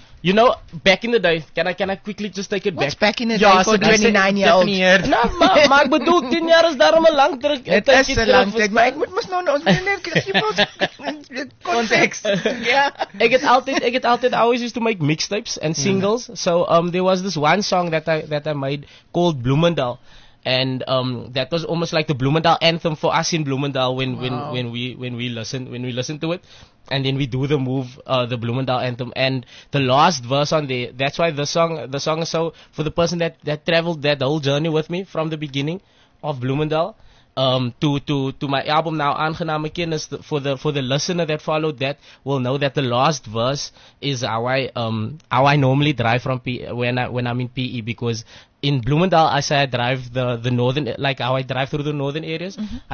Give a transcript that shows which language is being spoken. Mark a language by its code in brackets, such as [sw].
[en] You know, back in the day, can I quickly just take it What's back? What's back in the day for 29-year-old? [af] No, maar ek bedoel, 10 jaar is daarom 'n lang tyd. Het is 'n lang tyd, maar ek moet mos nou ons meneer kry. [en] Context. Yeah. [af] Ek het altyd, [en] I always used to make mixtapes and singles. Yeah. So there was this one song that I made called Bloemendaal. And that was almost like the Bloemendaal anthem for us in Bloemendaal when we listen to it. And then we do the move, the Bloemendaal anthem. And the last verse on there, that's why the song is so, for the person that traveled that whole journey with me from the beginning of Bloemendaal, to my album now, Aangename Kennis, for the listener that followed that will know that the last verse is how I normally drive from PE when I'm in PE, because in Bloemendaal I say I drive the northern, like how I drive through the northern areas. Mm-hmm.